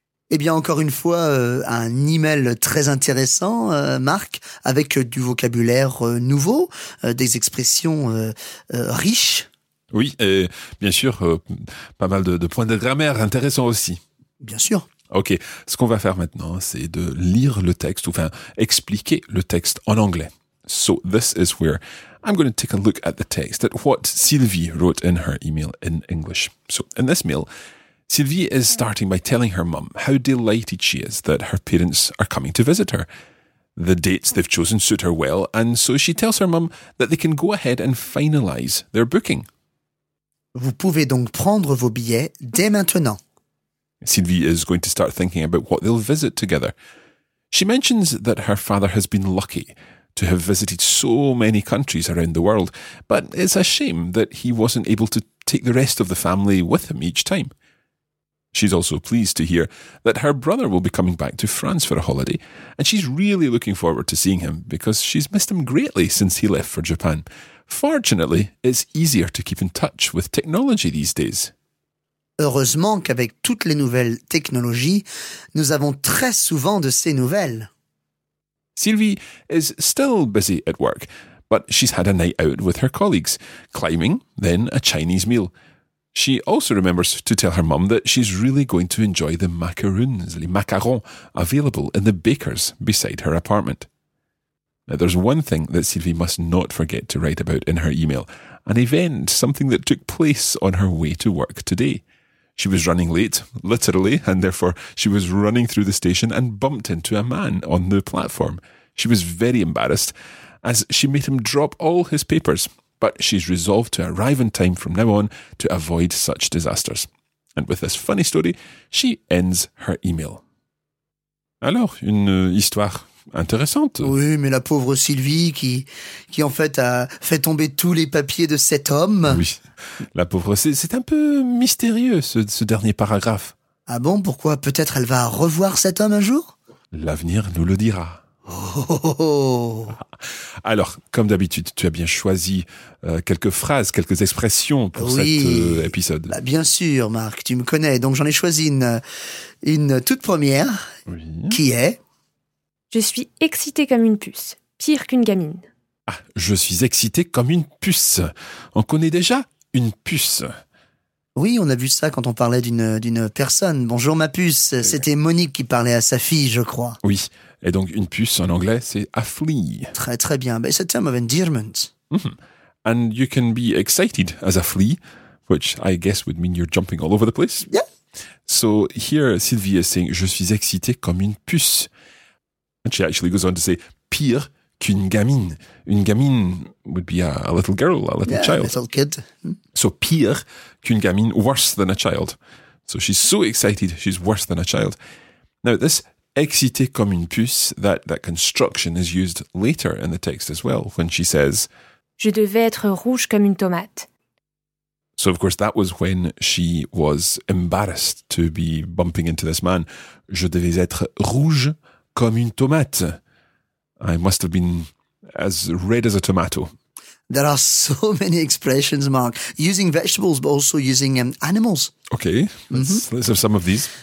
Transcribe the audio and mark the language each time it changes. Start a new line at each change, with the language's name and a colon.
French: Eh bien, encore une fois, un email très intéressant, Marc, avec du vocabulaire nouveau, des expressions riches. Oui, et bien sûr, pas mal de points de grammaire intéressants aussi. Bien sûr. Ok, ce qu'on va faire maintenant, c'est de lire le texte, enfin, expliquer le texte en anglais.
English: So, this is where I'm going to take a look at the text, at what Sylvie wrote in her email in English. So, in this mail, Sylvie is starting by telling her mum how delighted she is that her parents are coming to visit her. The dates they've chosen suit her well, and so she tells her mum that they can go ahead and finalise their booking.
French: Vous pouvez donc prendre vos billets dès maintenant.
English: Sylvie is going to start thinking about what they'll visit together. She mentions that her father has been lucky to have visited so many countries around the world, but it's a shame that he wasn't able to take the rest of the family with him each time. She's also pleased to hear that her brother will be coming back to France for a holiday, and she's really looking forward to seeing him because she's missed him greatly since he left for Japan. Fortunately, it's easier to keep in touch with technology these days.
French: Heureusement qu'avec toutes les nouvelles technologies, nous avons très souvent de ces nouvelles.
English: Sylvie is still busy at work, but she's had a night out with her colleagues, climbing, then a Chinese meal. She also remembers to tell her mum that she's really going to enjoy the macaroons,
French: les macarons,
English: available in the baker's beside her apartment. Now, there's one thing that Sylvie must not forget to write about in her email, an event, something that took place on her way to work today. She was running late, literally, and therefore she was running through the station and bumped into a man on the platform. She was very embarrassed, as she made him drop all his papers, but she's resolved to arrive in time from now on to avoid such disasters. And with this funny story, she ends her email.
French: Alors, une histoire intéressante. Oui, mais la pauvre Sylvie qui en fait a fait tomber tous les papiers de cet homme. Oui, la pauvre, c'est un peu mystérieux ce dernier paragraphe. Ah bon, pourquoi? Peut-être elle va revoir cet homme un jour? L'avenir nous le dira. Oh. Alors, comme d'habitude, tu as bien choisi quelques phrases, quelques expressions pour cet épisode. Bah, bien sûr, Marc, tu me connais, donc j'en ai choisi une toute première, qui est... Je suis excitée comme une puce, pire qu'une gamine. Ah, je suis excitée comme une puce. On connaît déjà une puce. Oui, on a vu ça quand on parlait d'une personne. Bonjour ma puce, c'était Monique qui parlait à sa fille, je crois. Oui, et donc une puce en anglais, c'est
English: a flea.
French: Très très bien,
English: but it's a term of endearment. Mm-hmm. And you can be excited as a flea, which I guess would mean you're jumping all over the place. Yeah. So here Sylvie is saying,
French: je suis excitée comme une puce.
English: And she actually goes on to say,
French: pire qu'une gamine. Une gamine
English: would be a little girl, a little child. A little kid. So
French: pire qu'une gamine,
English: worse than a child. So she's so excited, she's worse than a child. Now this
French: excité comme une puce,
English: that construction is used later in the text as well, when she says,
French: je devais être rouge comme une tomate.
English: So of course that was when she was embarrassed to be bumping into this man.
French: Je devais être rouge comme une tomate.
English: I must have been as red as a tomato. There are so many expressions, Mark, using vegetables, but also using animals. Okay, let's have some of these.